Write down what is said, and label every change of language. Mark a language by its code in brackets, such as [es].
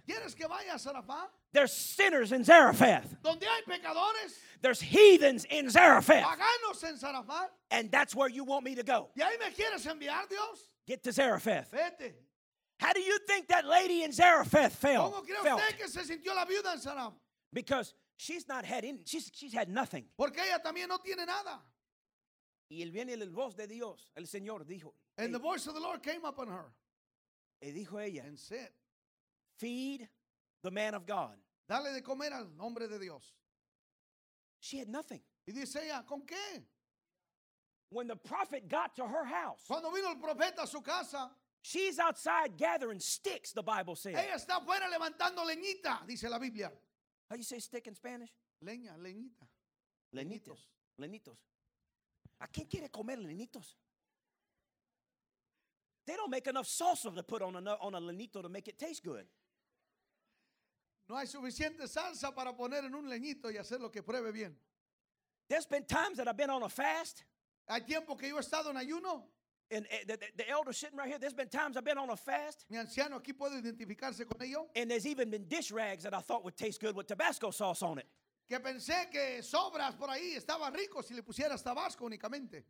[es] ¿Quieres que vaya a Zarephath? [en] There's sinners in Zarephath. [es] ¿Donde hay pecadores? [en] There's heathens in Zarephath. [es] Paganos en Zarephath. [en] And that's where you want me to go. [es] ¿Y ahí me quieres enviar, Dios? [en] Get to Zarephath. [es] Vete. [en] How do you think that lady in Zarephath felt? [es] ¿Cómo cree usted que se sintió la viuda en Zarephath? [en] Because she's not had any, she's had nothing. [es] Porque ella también no tiene nada. Y él viene el voz de Dios, el Señor dijo. [en] And the voice of the Lord came upon her. [es] Y dijo ella. [en] And said, feed the man of God. [es] Dale de comer al hombre de Dios. [en] She had nothing. [es] Y dice ella, ¿con qué? [en] When the prophet got to her house. [es] Cuando vino el profeta a su casa. [en] She's outside gathering sticks, the Bible says. [es] Ella está fuera levantando leñita, dice la Biblia. [en] How do you say stick in Spanish? [es] Leña, leñita. Lenitos, lenitos. ¿A quién quiere comer lenitos? [en] They don't make enough salsa to put on a lenito to make it taste good. [es] No hay suficiente salsa para poner en un leñito y hacerlo que pruebe bien. [en] There's been times that I've been on a fast. [es] Hay tiempo que yo he estado en ayuno. [en] And the elder sitting right here, there's been times I've been on a fast. [es] Mi anciano aquí puede identificarse con ello. [en] And there's even been dish rags that I thought would taste good with Tabasco sauce on it. [es] Que pensé que sobras por ahí estaba rico si le pusieras tabasco únicamente.